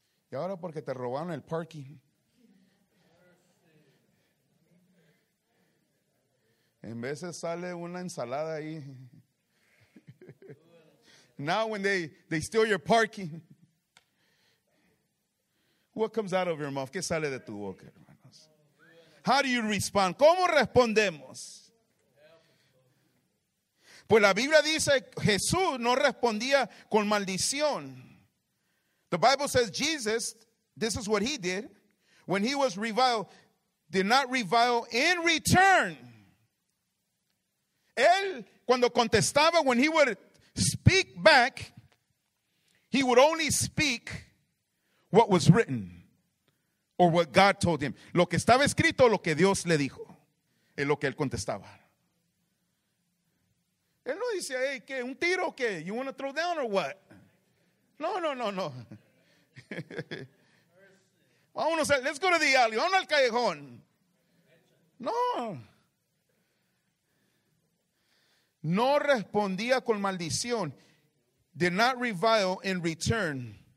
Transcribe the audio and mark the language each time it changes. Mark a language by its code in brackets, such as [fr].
[es] Y ahora porque te robaron el parking. En veces sale una ensalada ahí. [en] Now when they steal your parking. What comes out of your mouth? [es] ¿Qué sale de tu boca, hermanos? [en] How do you respond? [es] ¿Cómo respondemos? Pues la Biblia dice, Jesús no respondía con maldición. [en] The Bible says Jesus, this is what he did, when he was reviled, did not revile in return. [es] Él, cuando contestaba, [en] when he would speak back, he would only speak what was written or what God told him. [es] Lo que estaba escrito, lo que Dios le dijo, es lo que él contestaba. Él no dice, hey, ¿qué? ¿Un tiro o qué? [en] You want to throw down or what? [es] No. Vámonos, [en] let's go to the alley, [es] vamos al callejón. No. No respondía con maldición. [en] Did not revile in return.